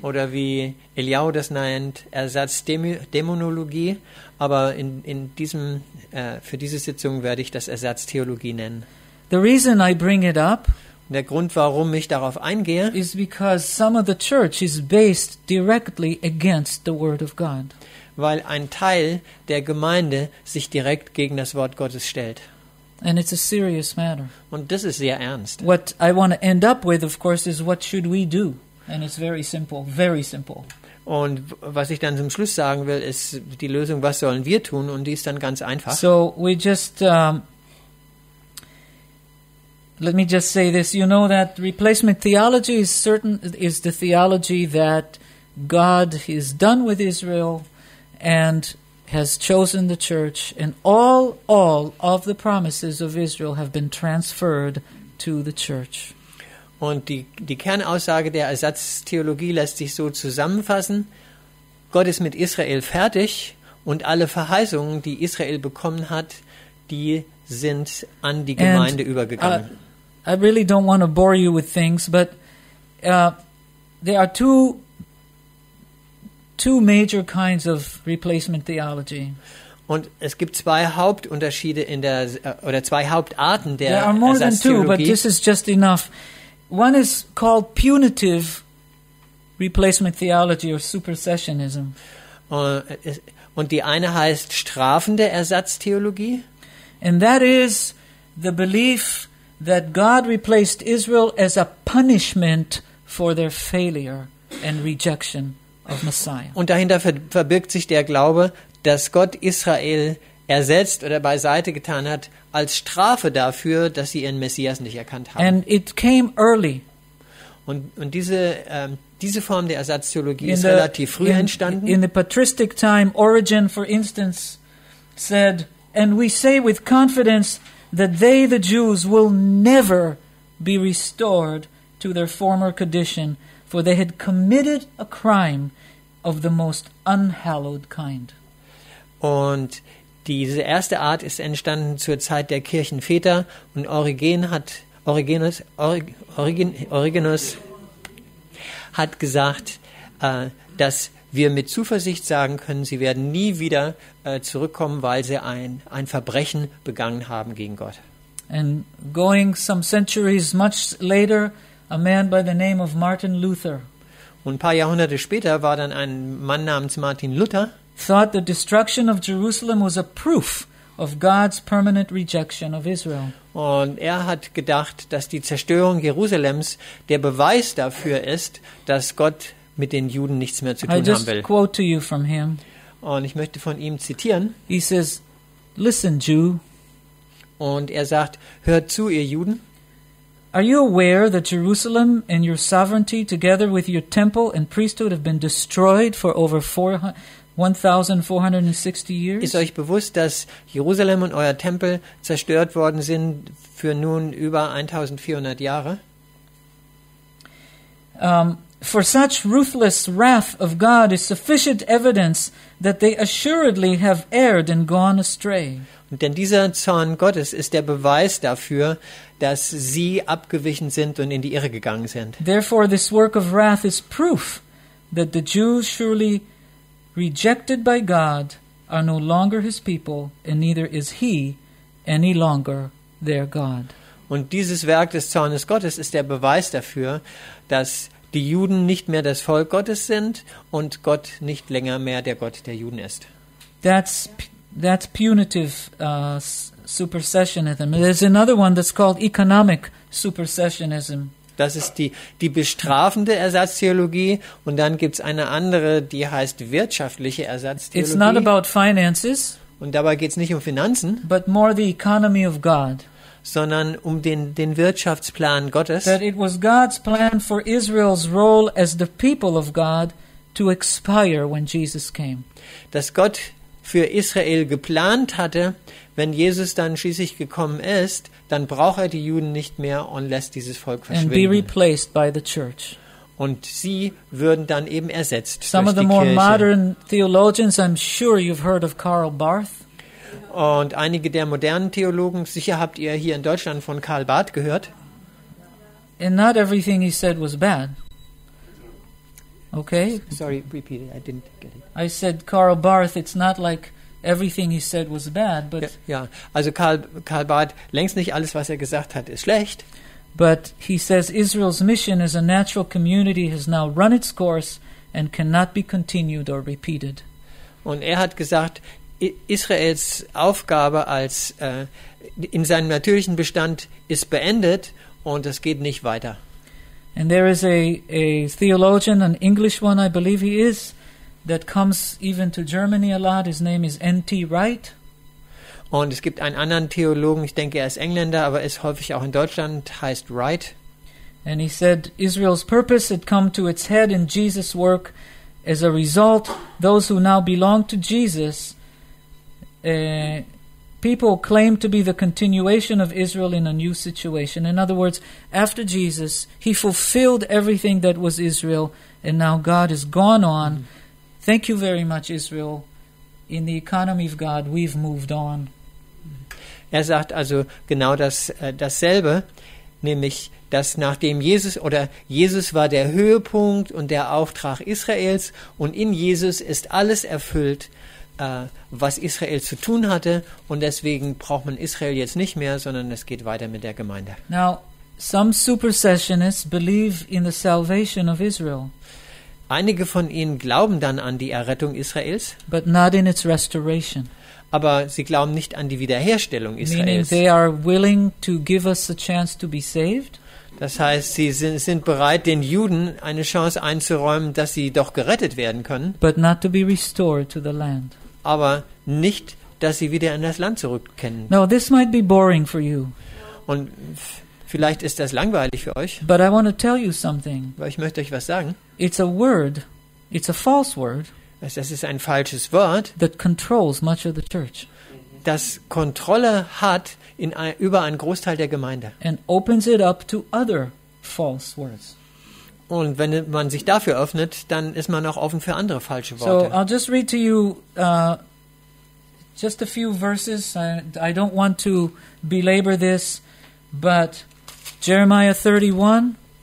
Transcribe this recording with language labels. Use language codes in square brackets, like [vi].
[de] Oder wie Eliel das nennt, Ersatzdämonologie, aber für diese Sitzung werde ich das Ersatztheologie nennen. [en] The reason I bring it up, [de] der Grund, warum ich darauf eingehe, [en] is because some of the church is based directly against the word of God. [de] Weil ein Teil der Gemeinde sich direkt gegen das Wort Gottes stellt. [en] And it's a serious matter. [de] Und das ist sehr ernst. [en] What I want to end up with, of course, is what should we do? And it's very simple, very simple. [de] Und was ich dann zum Schluss sagen will, ist die Lösung, was sollen wir tun? Und die ist dann ganz einfach. [en] So we just, let me just say this. You know that replacement theology is the theology that God is done with Israel and has chosen the church, and all of the promises of Israel have been transferred to the church. [de] Und die Kernaussage der Ersatztheologie lässt sich so zusammenfassen: Gott ist mit Israel fertig und alle Verheißungen, die Israel bekommen hat, die sind an die Gemeinde [en] and, [de] übergegangen. [en] I really don't want to bore you with things, but there are two major kinds of replacement theology. [de] Und es gibt zwei Hauptunterschiede in der oder zwei Hauptarten der Ersatztheologie. [en] There are more than two, but this is just enough. One is called punitive replacement theology or supersessionism. [de] Und die eine heißt strafende Ersatztheologie. [en] And that is the belief that God replaced Israel as a punishment for their failure and rejection. [de] Und dahinter verbirgt sich der Glaube, dass Gott Israel ersetzt oder beiseite getan hat als Strafe dafür, dass sie ihren Messias nicht erkannt haben. [en] And it came early. [de] Und diese Form der Ersatztheologie ist relativ früh entstanden. [en] In the patristic time, Origen, for instance, said, and we say with confidence that they, the Jews, will never be restored to their former condition. For they had committed a crime of the most unhallowed kind. [de] Und diese erste Art ist entstanden zur Zeit der Kirchenväter. Und Origenus hat gesagt, dass wir mit Zuversicht sagen können, sie werden nie wieder zurückkommen, weil sie ein Verbrechen begangen haben gegen Gott. [en] And going some centuries much later, a man by the name of Martin Luther. [de] Und ein paar Jahrhunderte später war dann ein Mann namens Martin Luther. [en] Thought the destruction of Jerusalem was a proof of God's permanent rejection of Israel. [de] Und er hat gedacht, dass die Zerstörung Jerusalems der Beweis dafür ist, dass Gott mit den Juden nichts mehr zu tun haben will. [en] I just quote to you from him. [de] Und ich möchte von ihm zitieren. [en] He says, "Listen, Jew." [de] Und er sagt: "Hört zu, ihr Juden." [en] Are you aware that Jerusalem and your sovereignty together with your temple and priesthood have been destroyed for over 1460 years? [de] Ist euch bewusst, dass Jerusalem und euer Tempel zerstört worden sind für nun über 1400 Jahre? [en] For such ruthless wrath of God is sufficient evidence that they assuredly have erred and gone astray. [de] Und denn dieser Zorn Gottes ist der Beweis dafür, dass sie abgewichen sind und in die Irre gegangen sind. [en] Therefore this work of wrath is proof that the Jews surely rejected by God are no longer his people and neither is he any longer their God. [de] Und dieses Werk des Zornes Gottes ist der Beweis dafür, dass die Juden nicht mehr das Volk Gottes sind und Gott nicht länger mehr der Gott der Juden ist. [en] That's punitive supersessionism. There's another one that's called economic supersessionism. [de] Das ist die bestrafende Ersatztheologie und dann gibt's eine andere, die heißt wirtschaftliche Ersatztheologie. [en] It's not about finances. [de] Und dabei geht's nicht um Finanzen. [en] But more the economy of God. [de] Sondern um den Wirtschaftsplan Gottes. [en] That it was God's plan for Israel's role as the people of God to expire when Jesus came. [de] Dass Gott für Israel geplant hatte, wenn Jesus dann schließlich gekommen ist, dann braucht er die Juden nicht mehr und lässt dieses Volk verschwinden. [en] And be replaced by the church. [de] Und sie würden dann eben ersetzt [en] Some [de] durch [en] of the more [de] Kirche. [en] Modern theologians, I'm sure you've heard of Karl Barth. [de] Und einige der modernen Theologen, sicher habt ihr hier in Deutschland von Karl Barth gehört. [en] And not everything he said was bad. Okay. Sorry, repeat it. I didn't get it. I said Karl Barth. It's not like everything he said was bad, but [de] Also Karl Barth, längst nicht alles, was er gesagt hat, ist schlecht. [en] But he says Israel's mission as a natural community has now run its course and cannot be continued or repeated. [de] Und er hat gesagt, Israels Aufgabe als in seinem natürlichen Bestand ist beendet und es geht nicht weiter. [en] And there is a theologian, an English one, I believe he is, that comes even to Germany a lot. His name is N.T. Wright. [de] Und es gibt einen anderen Theologen, ich denke, er ist Engländer, aber ist häufig auch in Deutschland, heißt Wright. [en] And he said, Israel's purpose had come to its head in Jesus' work. As a result, those who now belong to Jesus, people claim to be the continuation of Israel in a new situation. In other words, after Jesus, he fulfilled everything that was Israel, and now God has gone on. Thank you very much, Israel. In the economy of God, we've moved on. [de] Er sagt also genau das, dasselbe, nämlich, dass nachdem Jesus war der Höhepunkt und der Auftrag Israels, und in Jesus ist alles erfüllt, was Israel zu tun hatte, und deswegen braucht man Israel jetzt nicht mehr, sondern es geht weiter mit der Gemeinde. [en] Now, some supersessionists believe in the salvation of Israel. [de] Einige von ihnen glauben dann an die Errettung Israels, [en] but not in its restoration. [de] Aber sie glauben nicht an die Wiederherstellung Israels. [en] Meaning they are willing to give us a chance to be saved. [de] Das heißt, sie sind bereit, den Juden eine Chance einzuräumen, dass sie doch gerettet werden können. [en] But not to be restored to the land. [de] Aber nicht, dass sie wieder in das Land zurückkehren. [en] Now, this might be boring for you. [de] Und vielleicht ist das langweilig für euch. [en] But I want to tell you something. [de] Weil ich möchte euch was sagen. [en] It's a word. It's a false word. [de] Das ist ein falsches Wort. [en] That controls much of the church. [de] Das Kontrolle hat über einen Großteil der Gemeinde. [en] And opens it up to other false words. [de] Und wenn man sich dafür öffnet, dann ist man auch offen für andere falsche Worte. [en] So, I'll just read to you just a few verses. I don't want to belabor this, but Jeremiah 31.